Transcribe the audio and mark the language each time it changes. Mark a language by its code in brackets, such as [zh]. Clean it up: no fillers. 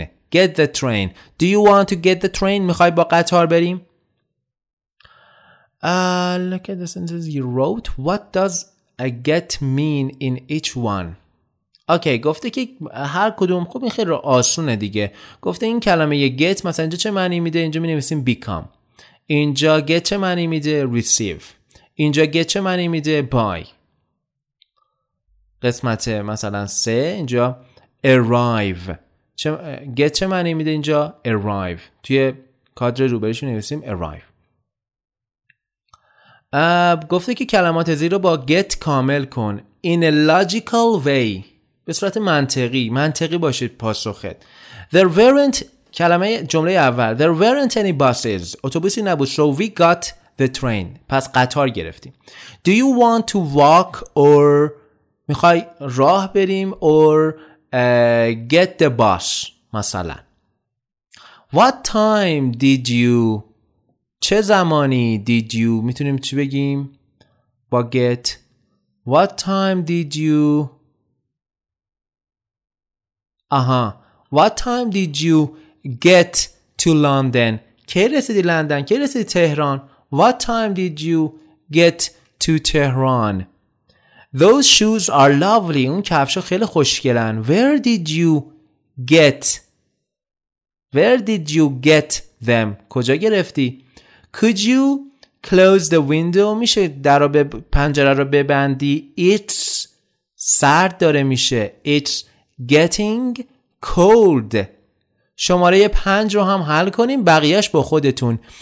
[en] Get the train. Do you want to get the train? [fa] میخوای با قطار بریم؟ [en] Look at the sentences you wrote. What does a get mean in each one? [fa] اوکی گفته که هر کدوم، خب این خیلی آسونه دیگه. گفته این کلمه یه get مثلا اینجا چه معنی میده؟ اینجا می نویسیم become. اینجا get چه معنی میده؟ receive. اینجا get چه معنی میده؟ buy. قسمت مثلا سه اینجا arrive. چه get چه معنی میده اینجا؟ arrive. توی کادر روبرش می نویسیم arrive. گفته که کلمات زیر رو با get کامل کن. [en] In a logical way. [fa] به صورت منطقی، منطقی باشید پاسخت. [en] There weren't، [fa] کلمه جمله اول، [en] there weren't any buses، [fa] اتوبوسی نبود، [en] so we got the train، [fa] پس قطار گرفتیم. [en] Do you want to walk or [fa] میخوای راه بریم [en] or get the bus مثلا. What time did you، [fa] چه زمانی [en] did you، [fa] میتونیم چی بگیم با [en] get؟ What time did you، آها، What time did you get to London؟ [fa] کی رسیدی لندن؟ کی رسیدی تهران؟ [en] What time did you get to Tehran؟ Those shoes are lovely. [fa] اون کفشا خیلی خوشگلن. [en] Where did you get؟ Where did you get them؟ [fa] کجا گرفتی؟ [en] Could you close the window؟ [fa] میشه در رو پنجره رو ببندی؟ [en] It's [fa] سرد داره میشه. [en] It's getting cold. [fa] شماره 5 رو هم حل کنیم، بقیهش با خودتون.